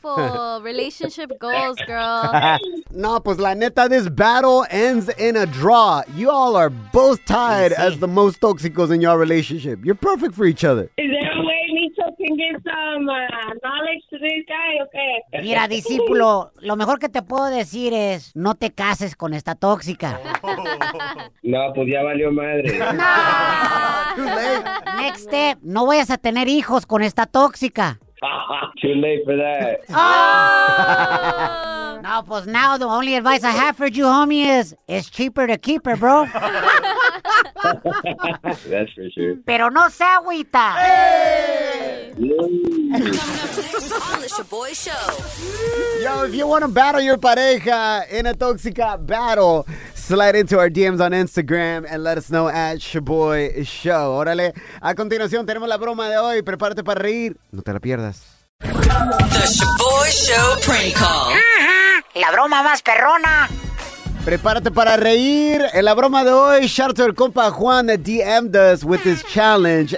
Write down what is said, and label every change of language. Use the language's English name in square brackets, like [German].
[English] Beautiful. Relationship goals, girl. [Spanish] No, pues la neta, [English] this battle ends in a draw. You all are both tied as the most toxicos in your relationship. You're perfect for each other. Is there a way Micho can give some knowledge to this guy? Okay. [Spanish] Mira, discípulo, lo mejor que te puedo decir es no te cases con esta tóxica. No, pues ya valió madre. No. [English] Too late. Next step, [Spanish] no vayas a tener hijos con esta tóxica. [English] Too late for that. [Spanish] No, pues [English] now the only advice I have for you, homie, is it's cheaper to keep her, bro. That's for sure. [Spanish] Pero no se agüita. [English] Yo, if you want to battle your pareja in a tóxica battle, slide into our DMs on Instagram and let us know at Shaboy Show. [Spanish] Órale, a continuación tenemos la broma de hoy. Prepárate para reír. No te la pierdas. [English] The Shaboy Show prank call. [Spanish] La broma más perrona. Prepárate para reír. En la broma de hoy, [English] shout out to [Spanish] el compa Juan [English] that DM'd us with this challenge.